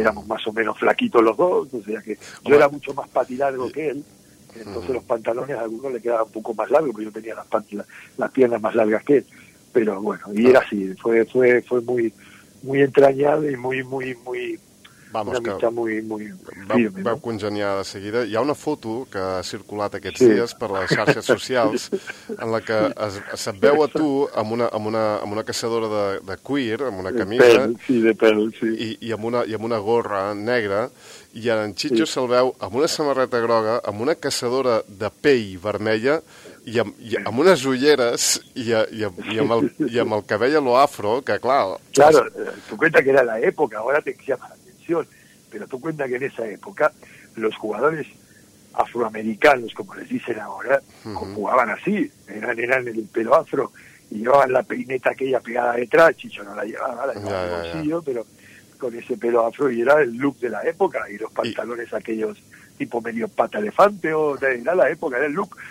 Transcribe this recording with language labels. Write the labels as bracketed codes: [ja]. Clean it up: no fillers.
[es] Éramos más o menos flaquitos los dos, o sea que yo era mucho más patilargo que él, entonces los pantalones a algunos le quedaban un poco más largos, porque yo tenía las piernas más largas que él, pero bueno, y era así, fue muy muy entrañable y muy vamos, una mitja muy, muy firme. [ca] Vau congeniar de seguida. Hi ha una foto que ha circulat aquests dies per les xarxes socials en la que se't veu a tu amb una caçadora de cuir, amb una camisa, i amb una gorra negra, i en Chicho se'l veu amb una samarreta groga, amb una caçadora de pell vermella, I amb unes ulleres i amb el cabell a lo afro, que clar... [es] Claro, tu cuenta que era la época, ahora te llama la atención, pero tu cuenta que en esa época los jugadores afroamericanos, como les dicen ahora, jugaban así, eran el pelo afro, y llevaban la peineta aquella pegada detrás, Chicho no la llevaba, la llevaba en el bolsillo, pero con ese pelo afro, y era el look de la época, y los pantalones aquellos tipo medio pata elefante, o era la época, era el look.